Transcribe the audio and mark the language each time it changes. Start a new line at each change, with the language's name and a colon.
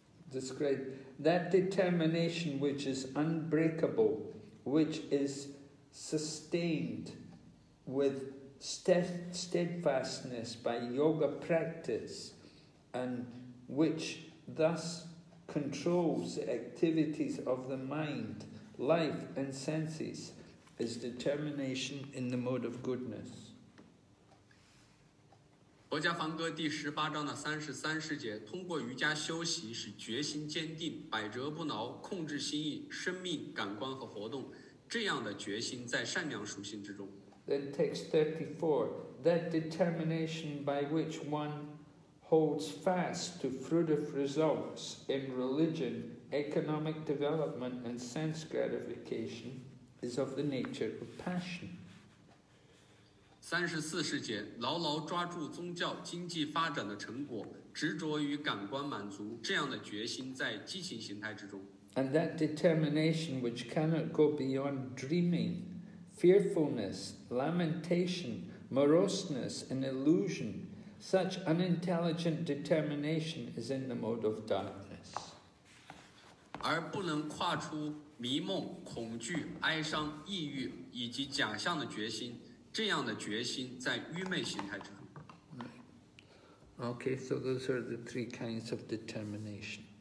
English: Describe that determination which is unbreakable, which is sustained with steadfastness by yoga practice, and which thus controls the activities of the mind, life, and senses, is determination in the mode of goodness.
Chinese: 佛家梵歌第十八章的33章节，通过瑜伽修习，使决心坚定，百折不挠，控制心意、生命、感官和活动，这样的决心在善良属性之中。
English: Then text 34, that determination by which one holds fast to fruitive results in religion, economic development, and sense gratification is of the nature of passion.
Chinese: 34章节，牢牢抓住宗教经济发展的成果，执着于感官满足，这样的决心在激情形态之中。
English: And that determination which cannot go beyond dreaming, fearfulness, lamentation, moroseness, and illusion, such unintelligent determination is in the mode of darkness.
Chinese: 而不能跨出迷梦、恐惧、哀伤、抑郁以及假象的决心。这样的决心在愚昧形态之中。
English: Okay, so those are the three kinds of determination.